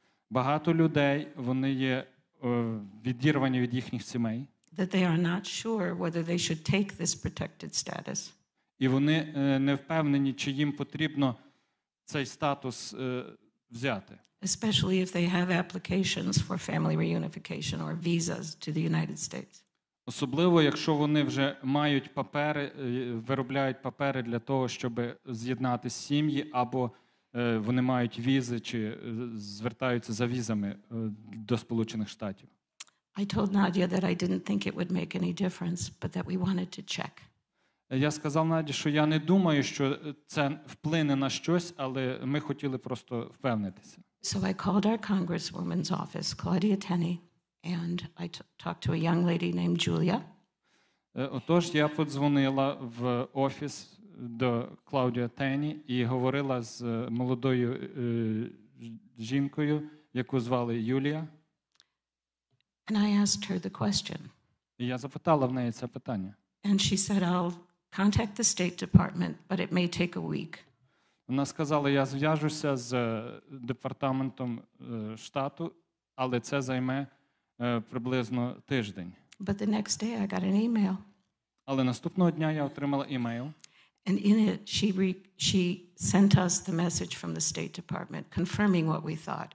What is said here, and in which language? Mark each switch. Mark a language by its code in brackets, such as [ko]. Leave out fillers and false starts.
[uk] Багато людей, вони є відірвані від їхніх сімей. [en] That they are not sure whether they should take this protected status. [uk] І вони не впевнені, чи їм потрібно цей статус взяти. [en] Especially if they have applications for family reunification or visas to the United States. [uk] Особливо, якщо вони вже мають папери, виробляють папери для того, щоб з'єднати сім'ї, або вони мають візи, чи звертаються за візами до Сполучених Штатів. [en] I told Nadia that I didn't think it would make any difference, but that we wanted to check. [uk] Я сказав Наді, що я не думаю, що це вплине на щось, але ми хотіли просто впевнитися. [en] So I called our congresswoman's office, Claudia Tenney, and I talked to a young lady named Julia. [uk] Отож, я подзвонила в офіс до Claudia Tenney і говорила з молодою жінкою, яку звали Юлія. [en] And I asked her the question. [uk] Я запитала в неї це питання. [en] And she said, I'll contact the State Department, but it may take a week. [uk] Вона сказала, я зв'яжуся з департаментом штату, але це займе приблизно тиждень. [en] But the next day I got an email. [uk] Але наступного дня я отримала email. [en] And in it she sent us the message from the State Department confirming what we thought.